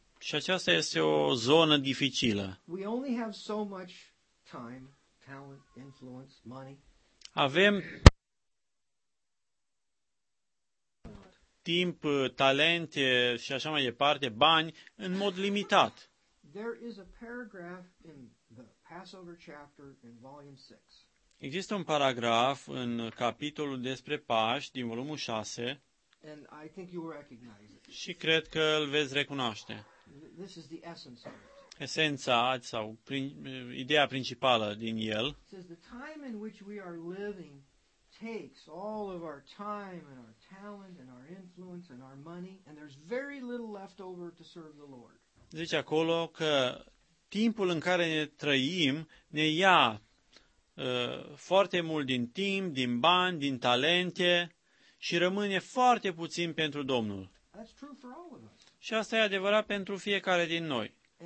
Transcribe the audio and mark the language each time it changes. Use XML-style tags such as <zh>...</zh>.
<ro>Și aceasta este o zonă dificilă.</ro> <en>We only have so much time, talent, influence, money.</en> <ro>Avem timp, talente și așa mai departe, bani în mod limitat.</ro> <en>There is a paragraph in the Passover chapter in volume 6.</en> <ro>Există un paragraf în capitolul despre Paști din volumul 6.</ro> <en>And I think you will recognize it.</en> <ro>Și cred că îl veți recunoaște.</ro> <en>This is the essence of it.</en> <ro>Esența sau ideea principală din el.</ro> <en>Says the time in which we are living takes all of our time and our talent and our influence and our money and there's very little left over to serve the Lord.</en> <ro>Zice acolo că timpul în care ne trăim ne ia foarte mult din timp, din bani, din talente. Și rămâne foarte puțin pentru Domnul. Și asta e adevărat pentru fiecare din noi.</ro>